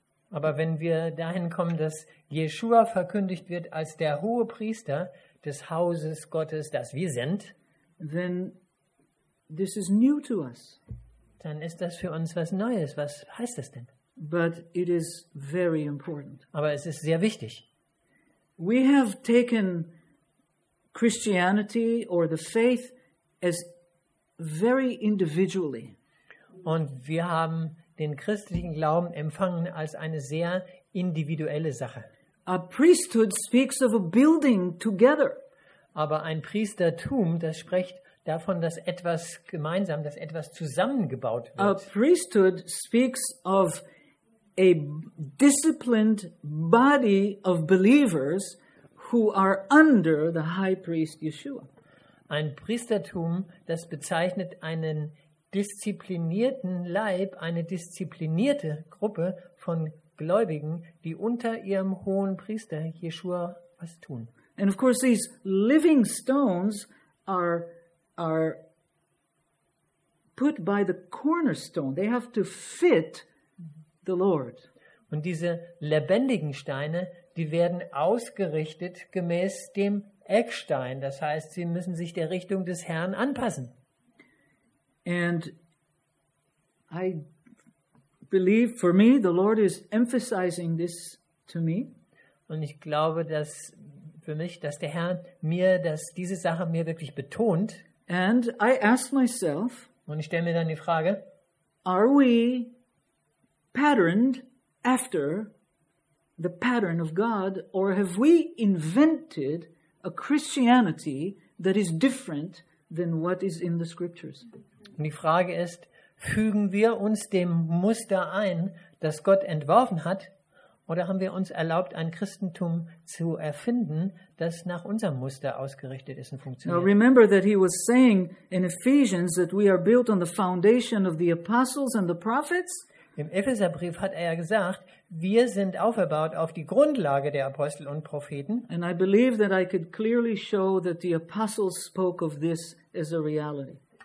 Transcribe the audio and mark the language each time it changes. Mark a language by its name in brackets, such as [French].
[German] Aber wenn wir dahin kommen, dass Yeshua verkündigt wird als der hohe Priester des Hauses Gottes, das wir sind, [English] then this is new to us. [German] Dann ist das für uns was Neues. Was heißt das denn? [English] But it is very important. [German] Aber es ist sehr wichtig. [English] We have taken Christianity or the faith as very individually. [German] Und wir haben den christlichen Glauben empfangen als eine sehr individuelle Sache. [English] A priesthood speaks of a building together. [German] Aber ein Priestertum, das spricht davon, dass etwas gemeinsam, dass etwas zusammengebaut wird. [English] A priesthood speaks of a disciplined body of believers who are under the high priest Yeshua. [German] Ein Priestertum, das bezeichnet einen disziplinierten Leib, eine disziplinierte Gruppe von Gläubigen, die unter ihrem hohen Priester Yeshua was tun. [English] And of course these living stones are put by the cornerstone. They have to fit the Lord. [German] Und diese lebendigen Steine, die werden ausgerichtet gemäß dem Eckstein. Das heißt, sie müssen sich der Richtung des Herrn anpassen. [English] And I believe, for me, the Lord is emphasizing this to me. [German] Und ich glaube, dass für mich, dass der Herr mir, dass diese Sache mir wirklich betont. [English] And I ask myself, [German] und ich stelle mir dann die Frage, [English] are we patterned after the pattern of God, or have we invented a Christianity that is different than what is in the scriptures? [German] Und die Frage ist, fügen wir uns dem Muster ein, das Gott entworfen hat, oder haben wir uns erlaubt, ein Christentum zu erfinden, das nach unserem Muster ausgerichtet ist und funktioniert? [English] Now remember that he was saying in Ephesians that we are built on the foundation of the apostles and the prophets. [German] Im Epheserbrief hat er ja gesagt, wir sind auferbaut auf die Grundlage der Apostel und Propheten. [English] And I believe that I could clearly show that the apostles spoke of this as a reality.